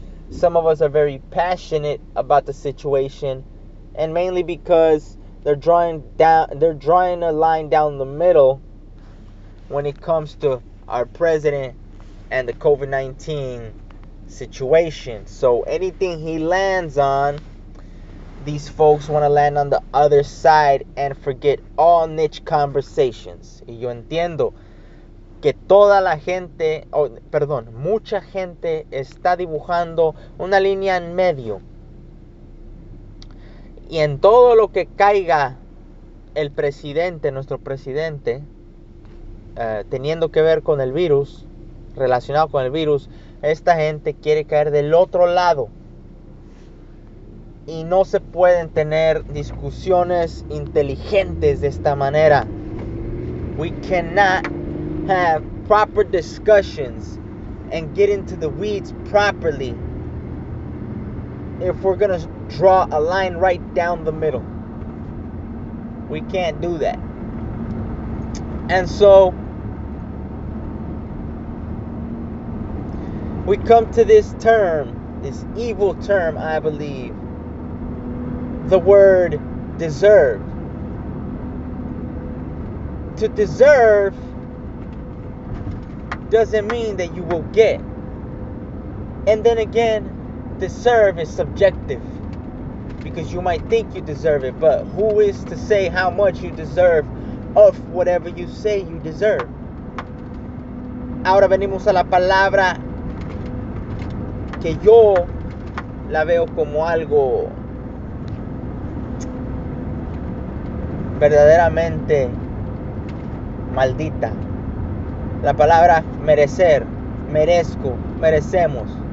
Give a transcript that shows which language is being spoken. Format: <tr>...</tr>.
<en>Some of us are very passionate about the situation, and mainly because they're drawing a line down the middle when it comes to our president and the COVID-19 situation. So anything he lands on, these folks want to land on the other side and forget all niche conversations.</en> <es>Y yo entiendo que toda la gente, mucha gente está dibujando una línea en medio. Y en todo lo que caiga el presidente, nuestro presidente, teniendo que ver con el virus, relacionado con el virus, esta gente quiere caer del otro lado. Y no se pueden tener discusiones inteligentes de esta manera.</es> <en>We cannot have proper discussions and get into the weeds properly if we're gonna draw a line right down the middle. We can't do that. And so we come to this term, this evil term, I believe, the word deserve. To deserve doesn't mean that you will get. And then again, deserve is subjective, because you might think you deserve it, but who is to say how much you deserve of whatever you say you deserve?</en> <es>Ahora venimos a la palabra que yo la veo como algo verdaderamente maldita. La palabra merecer, merezco, merecemos.</es>